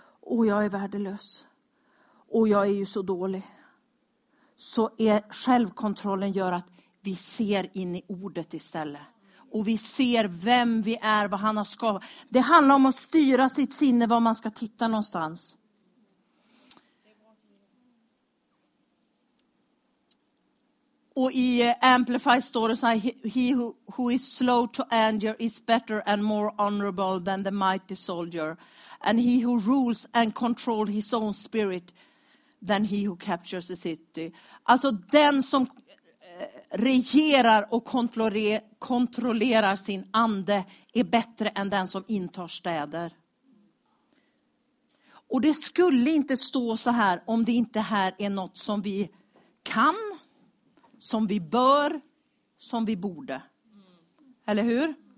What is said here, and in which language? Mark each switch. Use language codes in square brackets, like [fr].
[sv] Och jag är värdelös. Och jag är ju så dålig. Så är självkontrollen gör att vi ser in i ordet istället. Och vi ser vem vi är, vad han har skapat. Det handlar om att styra sitt sinne var man ska titta någonstans. Och i Amplify står det så här, [en] he who is slow to anger is better and more honorable than the mighty soldier. And he who rules and controls his own spirit than he who captures the city. [sv] Alltså den som regerar och kontrollerar sin ande är bättre än den som intar städer. Och det skulle inte stå så här om det inte här är något som vi kan, som vi bör, som vi borde. Eller hur?